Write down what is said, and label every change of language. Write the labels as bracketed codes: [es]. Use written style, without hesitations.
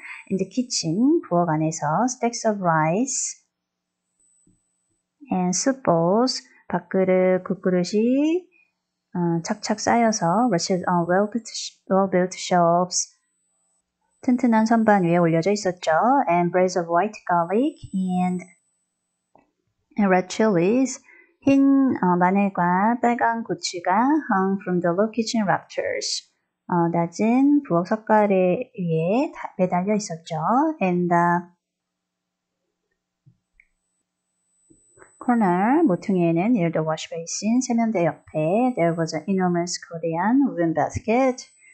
[en] In the kitchen, [ko] 부엌 안에서 [en] stacks of rice and soup bowls, [ko] 밥그릇, 국그릇이 착착 쌓여서 [en] rested on well-built shelves. [ko] 튼튼한 선반 위에 올려져 있었죠. [en] And braids of white garlic and red chilies. [ko] 흰 마늘과 빨간 고추가 [en] hung from the low kitchen rafters. [ko] 낮은 부엌 석가래 위에 매달려 있었죠. [en] And the corner [ko] 모퉁이에는 [en] near the wash basin [ko] 세면대 옆에 [en] there was an enormous Korean wooden basket.